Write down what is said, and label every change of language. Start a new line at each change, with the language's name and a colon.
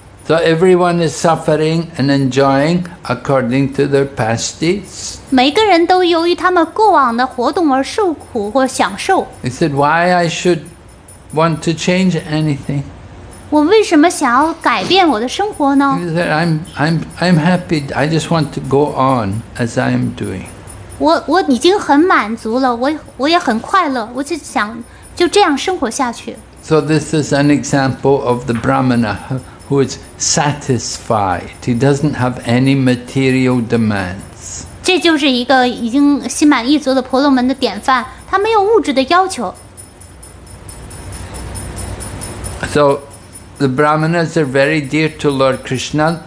English: So everyone is suffering and enjoying according to their past deeds.
Chinese: 每个人都由于他们过往的活动而受苦或享受。
English: He said, why I should want to change anything?
Chinese: 我为什么想要改变我的生活呢?
English: He said, I'm happy. I just want to go on as I am doing.
Chinese: 我已经很满足了，我也很快乐，我就想就这样生活下去。
English: So this is an example of the Brahmana who is satisfied. He doesn't have any material demands.
Chinese: 这就是一个已经心满意足的婆罗门的典范，他没有物质的要求。
English: So the Brahmanas are very dear to Lord Krishna.